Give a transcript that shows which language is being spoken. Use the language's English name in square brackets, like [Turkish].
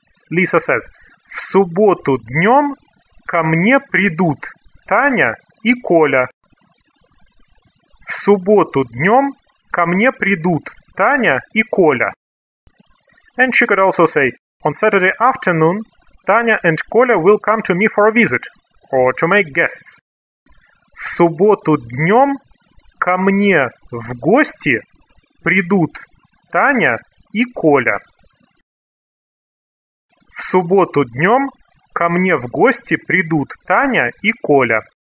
[English] Lisa says, [Russian] в субботу днем ко мне придут Таня и Коля. В субботу днем ко мне придут Таня и Коля. [English] And she could also say, on Saturday afternoon, Tanya and Коля will come to me for a visit, or to make guests. [Russian] В субботу днем ко мне в гости придут Таня и Коля. В субботу днем ко мне в гости придут Таня и Коля.